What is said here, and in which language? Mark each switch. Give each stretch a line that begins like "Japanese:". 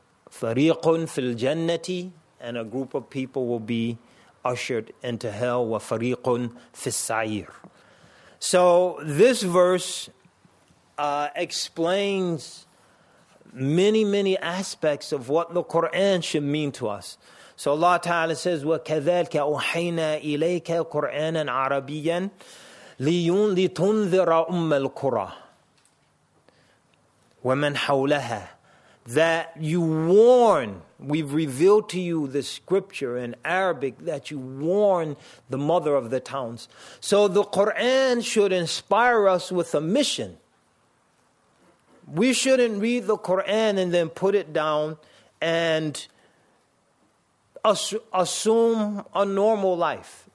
Arabic: Fariqun fil jannati.
English: And a group of people will be ushered into hell.
Arabic: Wa fariqun fis sa'ir.
English: So this verse explains many, many aspects of what the Qur'an should mean to us. So Allah Ta'ala says,
Arabic: وَكَذَلْكَ أُوحَيْنَا إِلَيْكَ قُرْآنًا عَرَبِيًّا لِتُنْذِرَ أُمَّ الْقُرَىٰ وَمَنْ حَوْلَهَا.
English: That you warn, we've revealed to you the scripture in Arabic, that you warn the mother of the towns. So the Qur'an should inspire us with a mission. We shouldn't read the Qur'an and then put it down and assume a normal life.